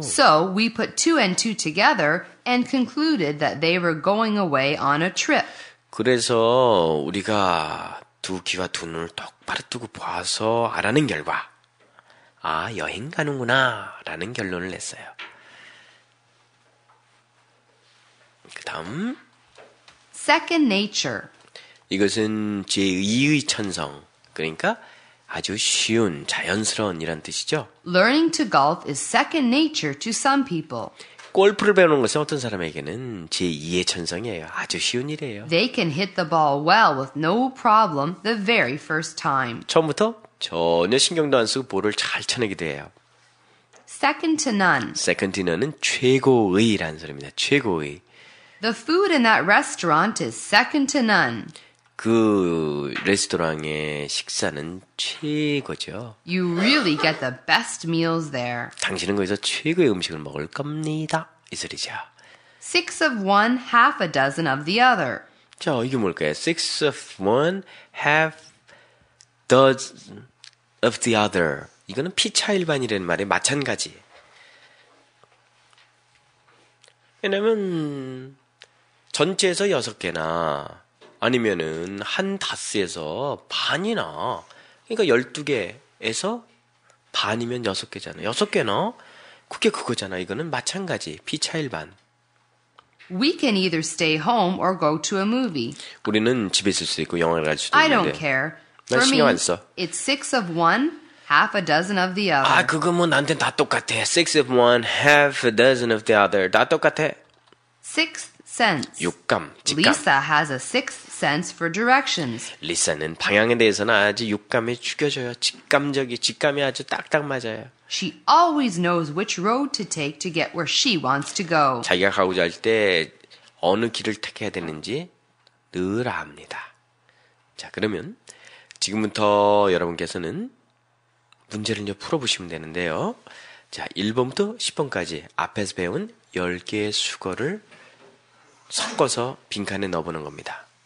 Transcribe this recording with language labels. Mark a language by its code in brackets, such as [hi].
[en] So we put two and two together and concluded that they were going away on a trip. [ko] 그래서 우리가 두 귀와 두 눈을 똑바로 뜨고 봐서 알아낸 결과, 아, 여행 가는구나 라는 결론을 냈어요. 그 다음, [en] Second nature. [ko] 이것은 제2의 천성, 그러니까 아주 쉬운, 자연스러운 이란 뜻이죠. [en] Learning to golf is second nature to some people. [ko] 골프를 배우는 것은 어떤 사람에게는 제2의 천성이에요. 아주 쉬운 일이에요. [en] They can hit the ball well with no problem the very first time. [ko] 처음부터 전혀 신경도 안 쓰고 볼을 잘 쳐내게 돼요. [en] Second to none. Second to none [ko] 은 최고의라는 소리입니다. 최고의. [en] The food in that restaurant is second to none. [ko] 그 레스토랑의 식사는 최고죠. [en] You really get the best meals there. [ko] 당신은 거기서 최고의 음식을 먹을 겁니다. 이 소리죠. [en] Six of one, half a dozen of the other. [ko] 자, 이게 뭘까요? [en] Six of one, half dozen of the other. [ko] 이거는 피차일반이라는 말에 마찬가지. 왜냐면 전체에서 여섯 개나 아니면은 한 다스에서 반이나, 그러니까 12개에서 반이면 6개잖아. 6개나? 그게 그거잖아. 이거는 마찬가지. 피차일반. [en] We can either stay home or go to a movie. [ko] 우리는 집에 있을 수도 있고 영화를 갈 수도 있는데. [en] I don't care. [ko] 난 신경 안 써. [en] It's six of one, half a dozen of the other. [ko] 아, 그거 뭐 나한테 다 똑같아. [en] Six of one, half a dozen of the other. [ko] 다 똑같아. [en] Six sense. [ko] 육감, 직감. [en] Lisa has a sixth sense for directions. [ko] Lisa는 방향에 대해서는 아주 육감이 죽여져요. 직감적이, 직감이 아주 딱딱 맞아요. [en] She always knows which road to take to get where she wants to go. [ko] 자기가 가고자 할 때 어느 길을 택해야 되는지 늘 압니다. 자, 그러면 지금부터 여러분께서는 문제를 이제 풀어보시면 되는데요. 자, 1번부터 10번까지 앞에서 배운 10개의 수거를 섞어서 빈칸에 넣어보는 겁니다.